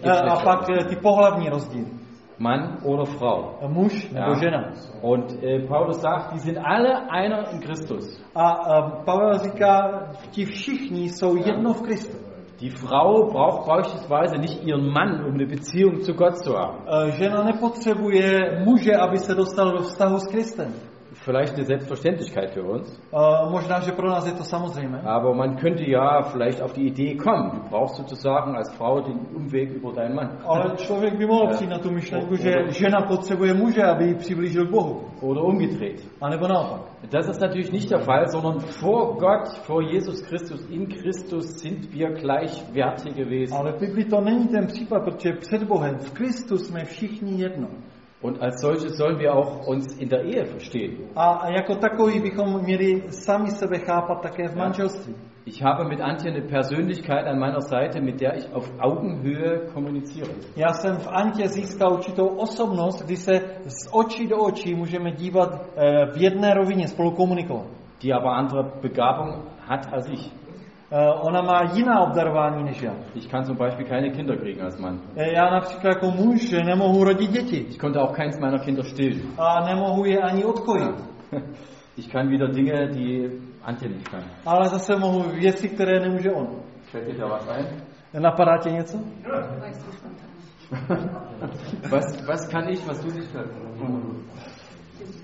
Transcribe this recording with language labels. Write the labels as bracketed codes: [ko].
[cs] A pak ty pohlavní rozdíly. [de] Mann oder Frau. [cs] Muž nebo žena. [de] Und Paulus sagt, die sind alle einer in Christus. [cs] A Pavel říká, ti všichni jsou jedno v Kristu. [de] Die Frau braucht beispielsweise nicht ihren Mann, um eine Beziehung zu Gott zu haben. [cs] Žena nepotřebuje muže, aby se dostala do vztahu s Kristem. [de] vielleicht eine Selbstverständlichkeit für uns. [cs] Možná, že pro nás je to samozřejmé. [de] Aber man könnte ja vielleicht auf die Idee kommen, du brauchst sozusagen als Frau den Umweg über deinen Mann. [cs] Ale člověk by mohl přijít na tu myšlenku, že žena potřebuje muže, aby ji přiblížil k Bohu. [de] Oder umgedreht. [cs] A nebo naopak. [de] Das ist natürlich nicht der Fall, sondern vor Gott, vor Jesus Christus, in Christus sind wir gleichwertige Wesen. [cs] Ale v Biblii to není ten případ, protože před Bohem v Kristu jsme všichni jedno. [de] Und als solche sollen wir auch uns in der Ehe verstehen. [cs] A jako takový bychom měli sami sebe chápat také v manželství. [de] Ich habe mit Antje eine Persönlichkeit an meiner Seite, mit der ich auf Augenhöhe kommuniziere. [cs] Já jsem v Antje získal určitou osobnost, kdy se z očí do očí můžeme dívat v jedné rovině, spolu komunikovat. [de] Die aber andere Begabung hat als ich. [cs] Ona má jiná obdarování než já. [de] Ich kann zum Beispiel keine Kinder kriegen als Mann. [cs] Já například jako muž nemohu rodit děti. [de] Ich konnte auch keins meiner Kinder stillen. [cs] A nemohu je ani odkojit. [de] Ich kann wieder Dinge, die Antje nicht kann. [cs] Ale zase mohu věci, které nemůže on. [de] Fällt dir da was ein? [cs] Napadá tě něco? [de] Was kann ich, was du nicht kannst?